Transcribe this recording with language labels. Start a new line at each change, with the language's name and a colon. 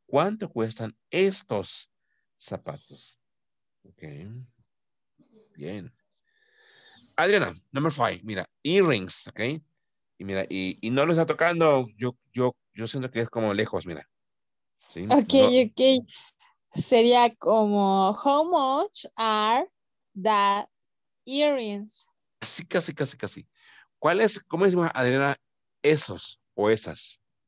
Spanish: ¿Cuánto cuestan estos zapatos? Ok. Bien. Adriana,
English: number 5,
Spanish: mira, earrings, ok, y mira, y no lo está tocando, yo siento que es como lejos, mira, ¿sí? Ok, no.
English: Ok,
Spanish: sería como,
English: how much are that earrings?
Spanish: Casi, ¿cuál es, cómo decimos, Adriana, esos o esas?